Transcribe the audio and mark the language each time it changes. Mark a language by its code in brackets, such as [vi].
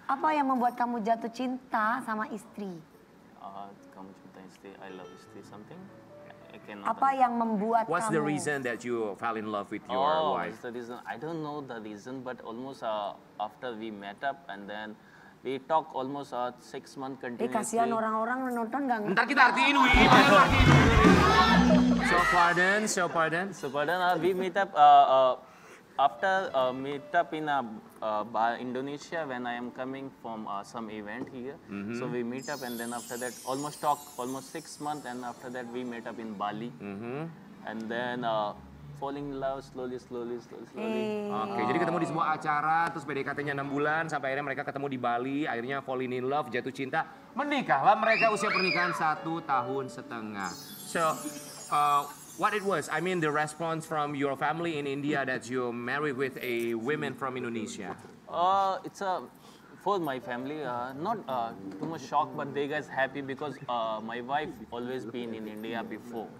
[id] Apa yang membuat kamu jatuh cinta sama istri? Kamu cinta istri, [en] I love [id] istri something. Apa yang membuat [en] What's the reason that you fell in love with your wife? The reason, I don't know the reason, but almost after we met up and then we talk almost 6 months continuously. [id] Kasihan orang-orang nonton enggak. Ntar kita artiin, Wi. [en] So pardon. We meet up after meet up in Indonesia when I am coming from some event here. Mm-hmm. So we meet up and then after that almost talk almost 6 months and after that we meet up in Bali. Mm-hmm. And then falling in love slowly. [id] Okay, jadi ketemu di sebuah acara terus PDKT-nya 6 bulan sampai akhirnya mereka ketemu di Bali, akhirnya [en] falling in love, [id] jatuh cinta, menikahlah mereka usia pernikahan 1 tahun setengah. [en] So what it was, I mean the response from your family in India that you married with a woman from Indonesia. It's a, for my family, not too much shock, but they guys happy because my wife always been in India before.